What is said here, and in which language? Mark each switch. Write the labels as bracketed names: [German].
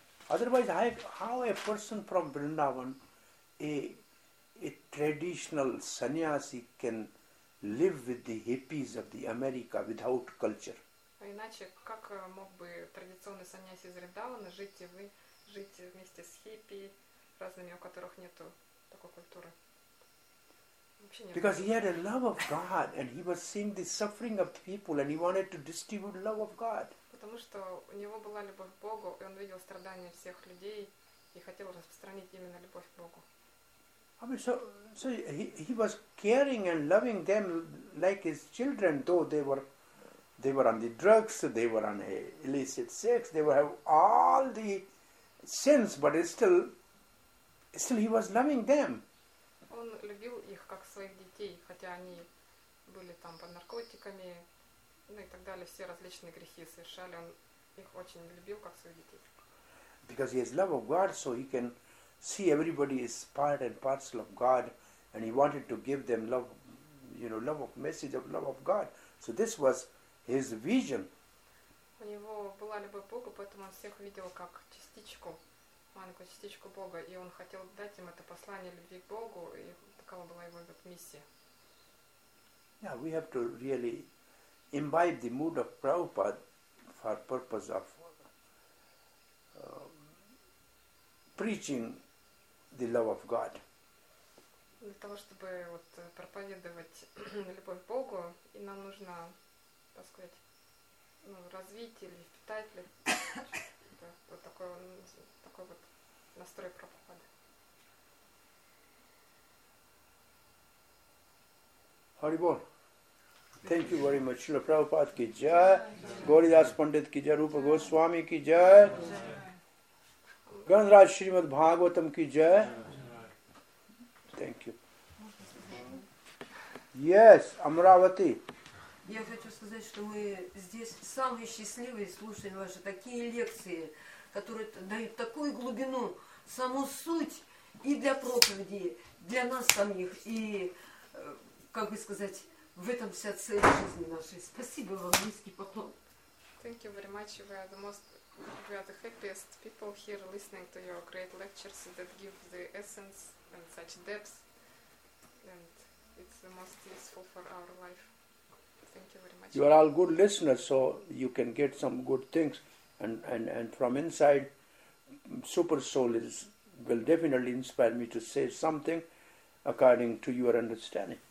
[English] Otherwise, how a person from Vrindavan, a traditional sannyasi, can live with the hippies of the America without culture? [Russian] А иначе, как мог бы традиционный саньяси из Риндавана жить вместе с хиппи, разными, у которых нету такой культуры? [English] Because he had a love of God, and he was seeing the suffering of people, and he wanted to distribute love of God. [Russian] Потому что у него была любовь к Богу, и он видел страдания всех людей, и хотел распространить именно любовь к Богу. [English] I mean, so he was caring and loving them like his children, though they were on the drugs, they were on illicit sex, they were have all the sins, but still he was loving them. [Russian] Он любил их как своих детей, хотя они были там под наркотиками, ну и так далее, все различные грехи совершали. Он их очень любил как своих детей. [English] Because he has love of God, so he can see everybody is part and parcel of God, and he wanted to give them love, you know, love of message of love of God. So this was his vision. [Russian] У него была любовь к Богу, поэтому он всех видел как частичку, маленькую частичку Бога, и он хотел дать им это послание любви к Богу, и такова была его миссия. [English] Yeah, we have to really imbibe the mood of Prabhupada for purpose of preaching the love of God. [Russian] Для того, чтобы вот проповедовать любовь к Богу, и нам нужно, так сказать, ну, развить или впитать ли, да, вот такой вот настрой Прабхупады. [English] Hari Bol. Thank you very much. Srila Prabhupada ki jai. Gauridas Pandit ki jai. Rupa Goswami ki jai. Ganraj Srimad Bhagavatam ki jai. Thank you. Yes, Amravati. [Russian] Я хочу сказать, что мы здесь самые счастливые, слушаем ваши такие лекции, которые дают такую глубину, саму суть и для проповеди, для нас самих, и, как бы сказать, в этом вся цель жизни нашей. Спасибо вам, низкий поклон. [English] Thank you very much. We are the happiest people here listening to your great lectures that give the essence and such depth, and it's the most useful for our life. Thank you very much. You are all good listeners, so you can get some good things, and from inside, Super Soul will definitely inspire me to say something according to your understanding.